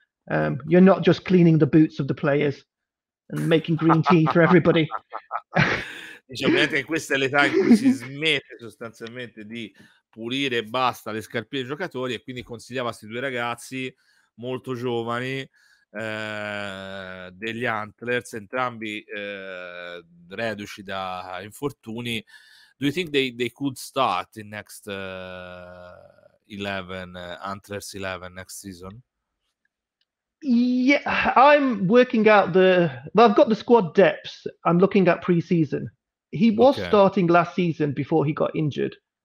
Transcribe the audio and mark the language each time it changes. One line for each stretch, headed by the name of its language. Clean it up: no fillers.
English: You're not just cleaning the boots of the players and making green tea for everybody.
Italian: Ovviamente questa è l'età in cui si smette sostanzialmente di pulire e basta le scarpe dei giocatori, e quindi consigliava questi due ragazzi molto giovani degli Antlers, entrambi reduci da infortuni.
English: Do you think they could start in next 11 Antlers 11 next season? Yeah, I'm working out I've got the squad depths. I'm looking at preseason. He was starting last season before he got injured.